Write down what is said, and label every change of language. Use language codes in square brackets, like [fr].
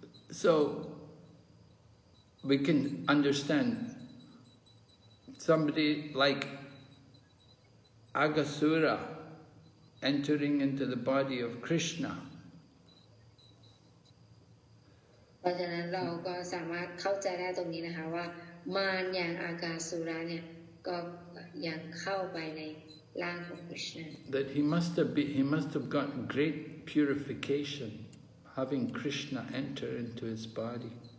[en] So, we can understand somebody like Aghāsura,entering into the body of Krishna. [th] เพราะฉะนั้นเราก็สามารถเข้าใจได้ตรงนี้นะคะว่ามารอย่างอากาสุระเนี่ยก็ยังเข้าไปในร่างของ Krishna. [en] That he must have got great purification having Krishna enter into his body.